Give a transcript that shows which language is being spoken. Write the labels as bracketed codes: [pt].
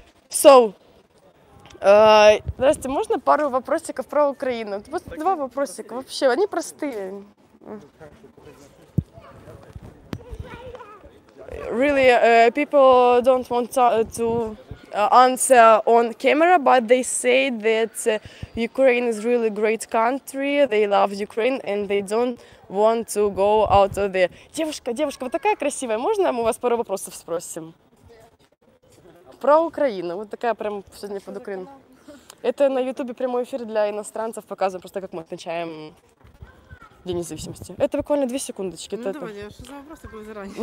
[en] So, [ru] здрасте, можно пару вопросиков про Украину? Вот два вопросика вообще, они простые. [en] Really, people don't want to answer on camera, but they say that Ukraine is really great country, they love Ukraine and they don't want to go out of there. [ru] Девушка, девушка, вот такая красивая, можно мы у вас пару вопросов спросим? Про Украину, вот такая прям сегодня под Украину. Это на Ютубе прямой эфир для иностранцев, показываем просто, как мы отмечаем День независимости. Это буквально две секундочки. Ну это давай, что за вопрос такой заранее?